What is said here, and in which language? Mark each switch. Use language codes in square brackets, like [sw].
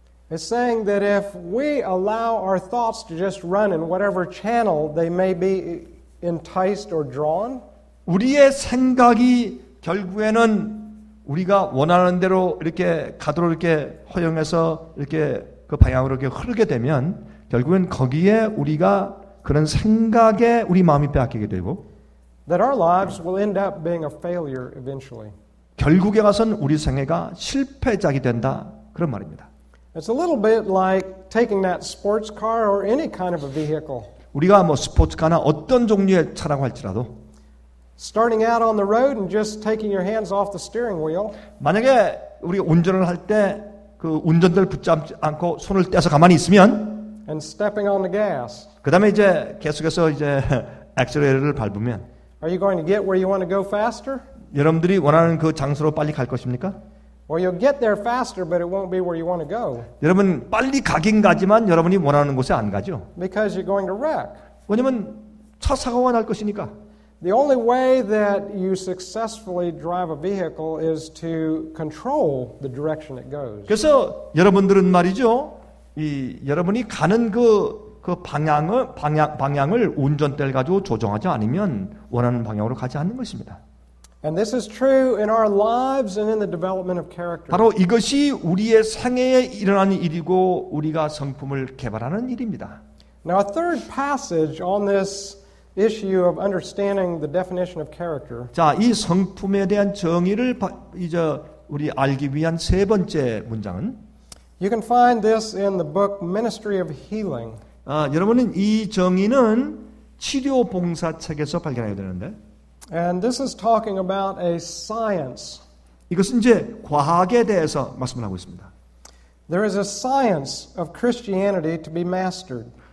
[en] It's saying that if we allow our thoughts to just run in whatever channel they may be enticed or drawn, [ko] 우리의 생각이 결국에는 우리가 원하는 대로 이렇게 가도록 이렇게 허용해서 이렇게 그 방향으로 이렇게 흐르게 되면 결국은 거기에 우리가 그런 생각에 우리 마음이 빼앗기게 되고 [en] that our lives will end up being a failure eventually. [ko] 결국에 가서는 우리 생애가 실패작이 된다 그런 말입니다. [en] It's a little bit like taking that sports car or any kind of a vehicle. [ko] 우리가 뭐 스포츠카나 어떤 종류의 차라고 할지라도 [en] Starting out on the road and just taking your hands off the steering wheel. [ko] 만약에 우리 운전을 할 때 그 운전대를 붙잡지 않고 손을 떼서 가만히 있으면 [en] and stepping on the gas. [ko] 그다음에 이제 계속해서 이제 엑셀레이터를 밟으면 [en] Are you going to get where you want to go faster? [ko] 여러분들이 원하는 그 장소로 빨리 갈 것입니까? [en] Well, you'll get there faster, but it won't be where you want to go. [ko] 여러분 빨리 가긴 가지만 여러분이 원하는 곳에 안 가죠. [en] Because you're going to wreck. [ko] 왜냐면 차 사고가 날 것이니까. [en] The only way that you successfully drive a vehicle is to control the direction it goes. [ko] 그래서 여러분들은 말이죠. 이 여러분이 가는 그 방향을 운전대를 가지고 조정하지 않으면 원하는 방향으로 가지 않는 것입니다. [en] And this is true in our lives and in the development of character. [ko] 바로 이것이 우리의 생애에 일어나는 일이고 우리가 성품을 개발하는 일입니다. [en] Now a third passage on this issue of understanding the definition of character. [ko] 자, 이 성품에 대한 정의를 이제 우리 알기 위한 세 번째 문장은 [en] You can find this in the book Ministry of Healing. [ko] 여러분은 이 정의는 치료 봉사 책에서 발견하게 되는데. [en] And this is talking about a science. [ko] 이것은 이제 과학에 대해서 말씀을 하고 있습니다. [en] There is a science of Christianity to be mastered.